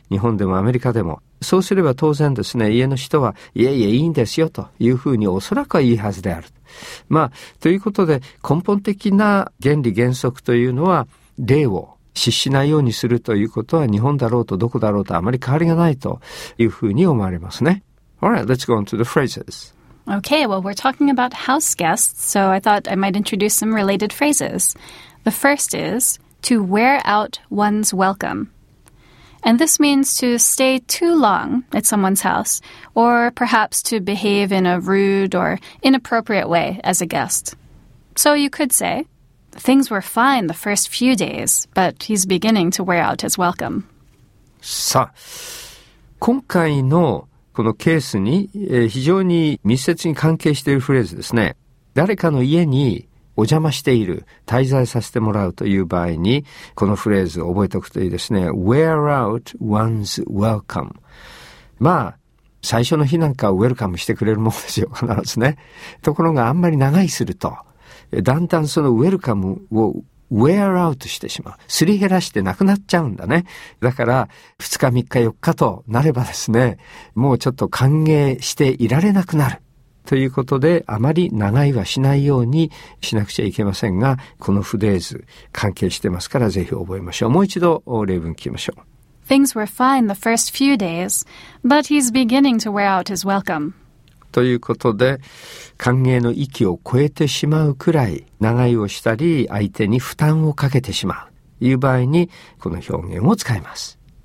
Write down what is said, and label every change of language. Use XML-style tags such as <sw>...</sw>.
<ja>日本でもアメリカでも、そうすれば当然ですね、家の人は、いえいえ、いいんですよというふうにおそらくは言うはずである。まあ、ということで、根本的な原理原則というのは、礼を失しないようにするということは、日本だろうとどこだろうとあまり変わりがないというふうに思われますね。</ja> <en>Alright, let's go on to the phrases. Okay, well, we're talking about house guests, so I thought I might introduce some related phrases. The first is, to wear out one's welcome. And this means to stay too long at someone's house, or perhaps to behave in a rude or inappropriate way as a guest. So you could say, things were fine the first few days, but he's beginning to wear out his welcome.</en> <ja>さあ、今回のこのケースに、非常に密接に関係しているフレーズですね。誰かの家にお邪魔している、滞在させてもらうという場合に、このフレーズを覚えておくといいですね。</ja> <en>wear out one's welcome。</en> <ja>まあ最初の日なんかはウェルカムしてくれるものですよ、必ずね。ところがあんまり長いすると、だんだんそのウェルカムを</ja> <en>wear out</en> <ja>してしまう、すり減らしてなくなっちゃうんだね。だから2日3日4日となればですね、もうちょっと歓迎していられなくなるということで、あまり長いはしないようにしなくちゃいけませんが、このフレーズ関係してますから、ぜひ覚えましょう。もう一度例文聞きましょう。</ja> <en>Things were fine the first few days, but he's beginning to wear out his welcome.</en> <ja>ということで、歓迎の域を超えてしまうくらい長居をしたり、相手に負担をかけてしまうという場合に、この表現を使います。</ja>